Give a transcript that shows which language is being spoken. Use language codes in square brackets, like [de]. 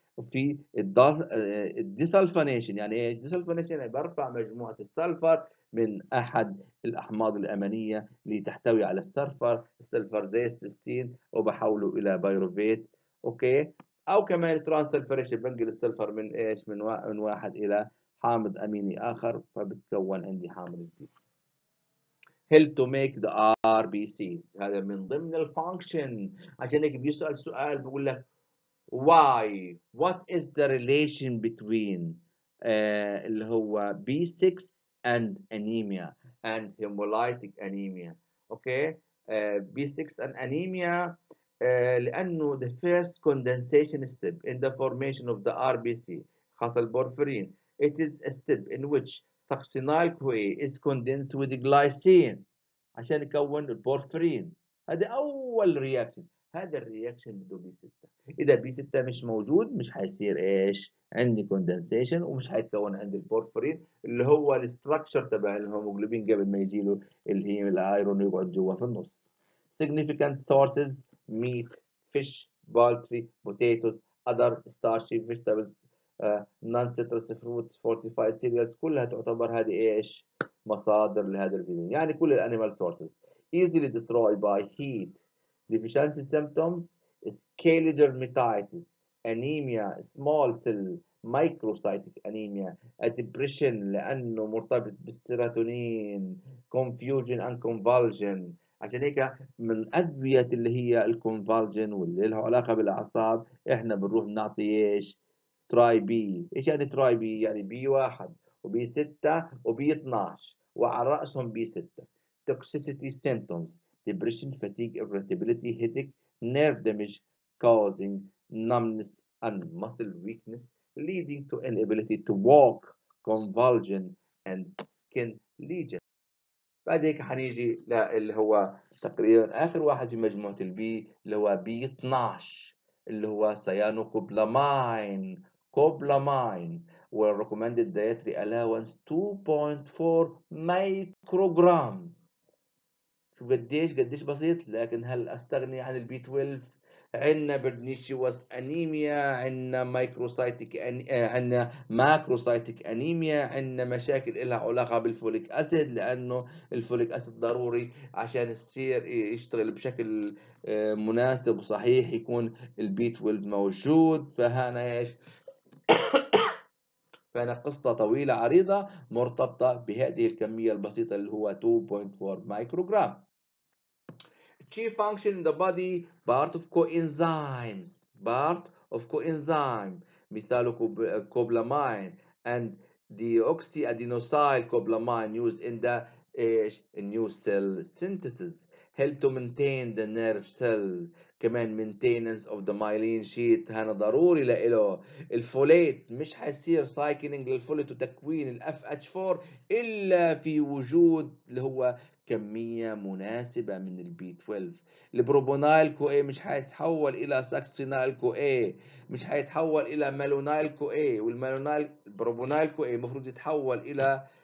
[ar] في الديسلفونيشن، يعني الديسلفونيشن يعني برفع مجموعة السلفر من أحد الأحماض الأمينية اللي تحتوي على السلفر، السلفر زي السستين، وبحوله إلى بايروفيت. أوكي، أو كمان ترانسلفريشن، بنقل السلفر من إيش؟ من واحد إلى حامض أميني آخر، فبتكون عندي حامض جديد. [en] help to make the RBCs، [ar] هذا من ضمن الفانكشن. عشان هيك بيسأل سؤال بقول لك [en] why what is the relation between اللي هو B6 and anemia and hemolytic anemia. okay B6 and anemia لانه the first condensation step in the formation of the RBC [ar] خاصة البورفيرين، [en] it is a step in which succinyl CoA is condensed with glycine [ar] عشان يكون البورفيرين. هذا اول رياكشن، هذا الرياكشن بده بي 6. اذا بي 6 مش موجود مش حيصير ايش عندي كوندنسيشن، ومش حيتكون عندي البورفيرين اللي هو الاستراكشر تبع الهيموجلوبين قبل ما يجي له اللي هي الايرون يقعد جوا في النص. [en] significant sources meat fish poultry potatoes other starchy vegetables non citrus fruits fortified cereals [ar] كلها تعتبر هذه ايش مصادر لهذا الفيتامين، يعني كل الانيمال سورسز. [en] easily destroyed by heat deficiency symptoms scaly dermatitis anemia small cell microcytic anemia depression [ar] لانه مرتبط بالسيروتونين [en] confusion and convulsion. [ar] عشان هيك من ادويه اللي هي الكونفالجن واللي لها علاقه بالاعصاب احنا بنروح نعطي ايش تراي بي. ايش يعني تراي بي؟ يعني بي 1 وبي 6 وبي 12 وعلى راسهم بي 6. [en] toxicity symptoms depression, fatigue, irritability, headache, nerve damage causing numbness and muscle weakness leading to inability to walk, convulsion and skin lesion. [ar] بعد هيك حنيجي اللي هو تقريبا اخر واحد في مجموعه البي اللي هو بي 12 اللي هو سيانوكوبلامين. كوبلامين والريكومندد دايتري الاونس 2.4 مايكروغرام. قديش بسيط، لكن هل استغني عن البي 12؟ عندنا برنيشيوس انيميا، عندنا مايكروسايتيك عندنا ماكروسايتيك انيميا، عندنا مشاكل لها علاقه بالفوليك اسيد لانه الفوليك اسيد ضروري عشان السير يشتغل بشكل مناسب وصحيح يكون البي 12 موجود. فهنا ايش؟ فهنا قصه طويله عريضه مرتبطه بهذه الكميه البسيطه اللي هو 2.4 مايكروغرام. [en] Chief function in the body, part of coenzymes, part of coenzyme, مثال cobalamin and deoxyadenosylcoblamine used in the new cell synthesis, help to maintain the nerve cell, كمان maintenance of the myelin sheet [ar] هنا ضروري لإله. الفوليت مش حيصير cycling للفوليت وتكوين ال FH4 إلا في وجود اللي هو كمية مناسبة من البي 12. البروبونايل كو اي مش هيتحول الى ساكسينايل كو اي، مش هيتحول الى مالونايل كو اي، والمالونايل البروبونايل كو اي مفروض يتحول الى